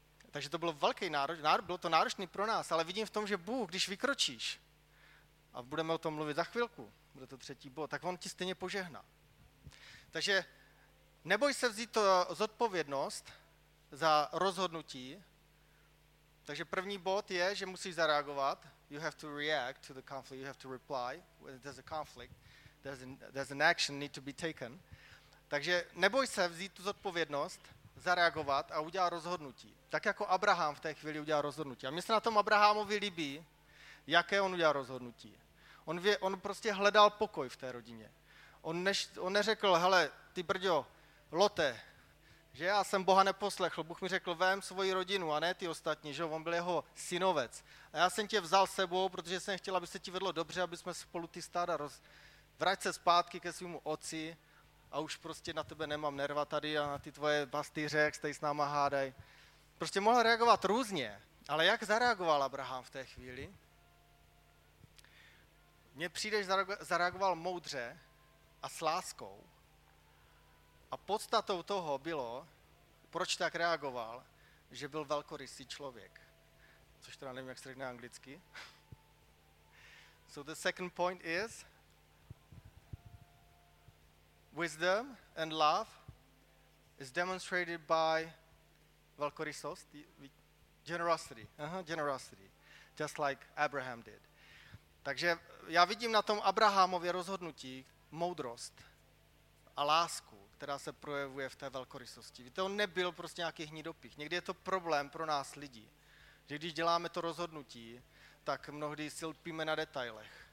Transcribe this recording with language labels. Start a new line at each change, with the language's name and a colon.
Czech: Takže to bylo velký bylo to náročný pro nás, ale vidím v tom, že Bůh, když vykročíš, a budeme o tom mluvit za chvilku, bude to třetí bod, tak on ti stejně požehná. Takže neboj se vzít to zodpovědnost za rozhodnutí. Takže první bod je, že musíš zareagovat.
English: You have to react to the conflict, you have to reply. When there's a conflict, there's an action need to be taken.
Czech: Takže neboj se vzít tu zodpovědnost, zareagovat a udělat rozhodnutí. Tak jako Abraham v té chvíli udělal rozhodnutí. A mně se na tom Abrahamovi líbí, jaké on udělal rozhodnutí. On prostě hledal pokoj v té rodině. On neřekl, hele, ty brďo, Lote, že já jsem Boha neposlechl, Bůh mi řekl, vem svoji rodinu a ne ty ostatní, že on byl jeho synovec. A já jsem tě vzal sebou, protože jsem chtěl, aby se ti vedlo dobře, aby jsme spolu ty stáda vrať se zpátky ke svému otci a už prostě na tebe nemám nerva tady a na ty tvoje pastýře, jak jste s náma hádaj. Prostě mohl reagovat různě, ale jak zareagoval Abraham v té chvíli? Mně přijde, že zareagoval moudře a s láskou. A podstatou toho bylo, proč tak reagoval, že byl velkorysý člověk. Což teda nevím, jak se řekne anglicky.
English: So the second point is wisdom and love is demonstrated by velkorysost, generosity. Generosity, just like Abraham did.
Czech: Takže já vidím na tom Abrahamově rozhodnutí moudrost a lásku, která se projevuje v té velkorysosti. Víte, on nebyl prostě nějaký hnidopich. Někdy je to problém pro nás lidi, že když děláme to rozhodnutí, tak mnohdy si lpíme na detailech.